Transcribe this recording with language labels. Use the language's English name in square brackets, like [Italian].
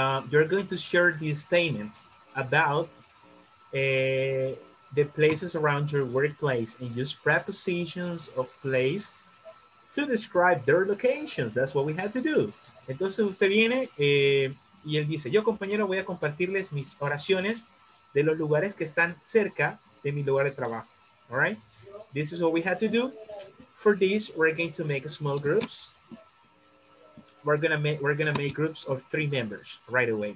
[English] You're going to share these statements about the places around your workplace and use prepositions of place to describe their locations. That's what we had to do. [Spanish] Entonces usted viene y él dice, yo compañero voy a compartirles mis oraciones de los lugares que están cerca de mi lugar de trabajo. [English] All right? This is what we had to do. For this, we're going to make small groups. We're gonna make groups of 3 members right away.